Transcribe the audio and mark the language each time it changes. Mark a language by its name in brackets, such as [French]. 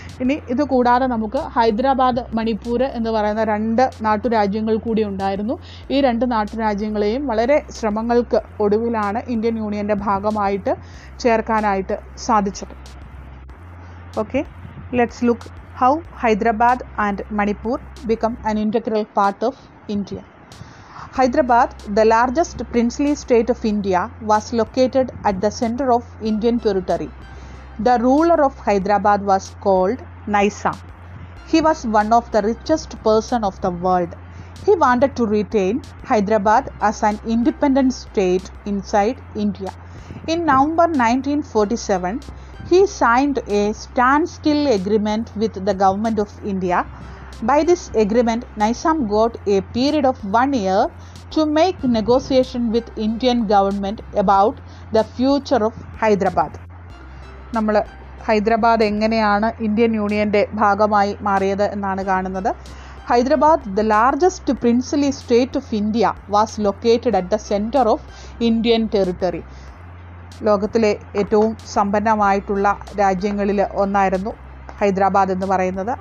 [Malayalam] ഇനി ഇതുകൂടാതെ നമുക്ക് ഹൈദരാബാദ് മണിപ്പൂർ എന്ന് പറയുന്ന രണ്ട് നാട്ടുരാജ്യങ്ങൾ കൂടി ഉണ്ടായിരുന്നു. ഈ രണ്ട് നാട്ടുരാജ്യങ്ങളെയും വളരെ ശ്രമങ്ങൾക്ക് ഒടുവിലാണ് ഇന്ത്യൻ യൂണിയൻ്റെ ഭാഗമായിട്ട് ചേർക്കാനായിട്ട് സാധിച്ചത്. [English] Okay, let's look how Hyderabad and Manipur become an integral part of India. Hyderabad, the largest princely state of India, was located at the center of Indian territory. The ruler of Hyderabad was called Nizam. He was one of the richest person of the world. He wanted to retain Hyderabad as an independent state inside India. In November 1947, he signed a standstill agreement with the government of India. By this agreement, Nizam got a period of 1 year to make negotiation with Indian government about the future of Hyderabad. [Malayalam] നമ്മൾ ഹൈദരാബാദ് എങ്ങനെയാണ് Indian യൂണിയൻ്റെ ഭാഗമായി മാറിയത് എന്നാണ് കാണുന്നത്. [English] Hyderabad, the largest princely state of India, was located at the centre of Indian territory. [Malayalam] ലോകത്തിലെ ഏറ്റവും സമ്പന്നമായിട്ടുള്ള രാജ്യങ്ങളിൽ ഒന്നായിരുന്നു ഹൈദരാബാദ് എന്ന് പറയുന്നത്.